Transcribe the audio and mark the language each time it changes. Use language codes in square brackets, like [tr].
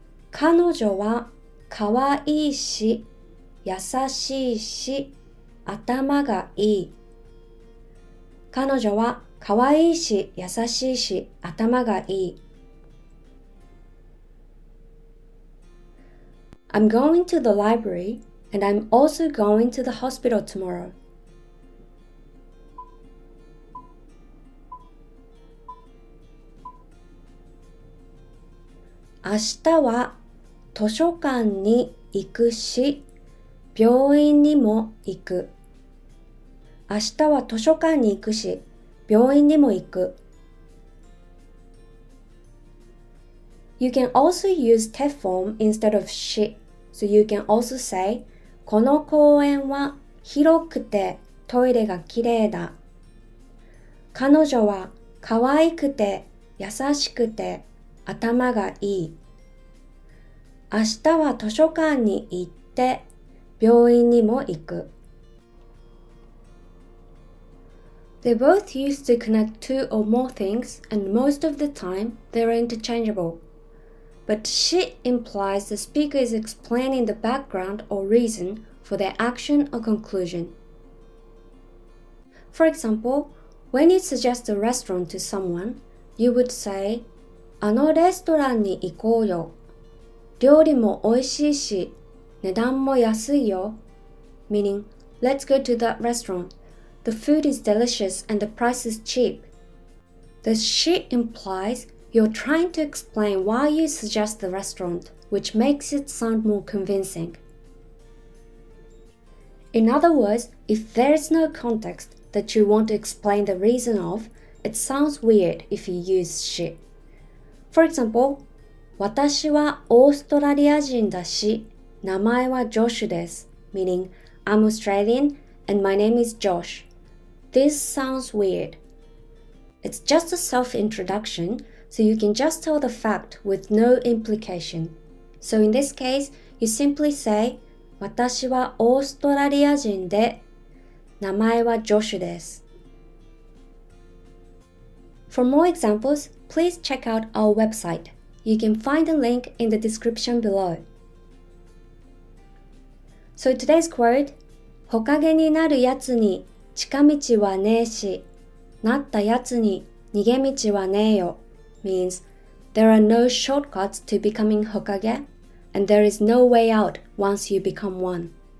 [ja] 彼女はかわいいし、優しいし、頭がいい。彼女はかわいいし、優しいし、頭がいい。 [en] I'm going to the library and I'm also going to the hospital tomorrow. [ja] 明日は図書館に行くし、病院にも行く。明日は図書館に行くし、病院にも行く。 [en] You can also use te form instead of し, so you can also say, [ja] この公園は広くてトイレがきれいだ。彼女は可愛くて優しくて頭がいい。明日は図書館に行って病院にも行く。 [en] They're both used to connect two or more things, and most of the time, they're interchangeable. But し implies the speaker is explaining the background or reason for their action or conclusion. For example, when you suggest a restaurant to someone, you would say, [ja] あのレストランに行こうよ。料理も美味しいし、値段も安いよ。 [en] Meaning, let's go to that restaurant. The food is delicious and the price is cheap. The し implies you're trying to explain why you suggest the restaurant, which makes it sound more convincing. In other words, if there is no context that you want to explain the reason of, it sounds weird if you use し. For example, [ja] 私はオーストラリア人だし、名前はジョシュです, [en] meaning I'm Australian and my name is Josh. This sounds weird. It's just a self-introduction, so you can just tell the fact with no implication. So in this case, you simply say, [ja] 私はオーストラリア人で、名前はジョシュです。 [en] For more examples, please check out our website. You can find the link in the description below. So today's quote, [ja] 火影になる奴に近道はねぇし、なった奴に逃げ道はねぇよ [en] means there are no shortcuts to becoming Hokage and there is no way out once you become one.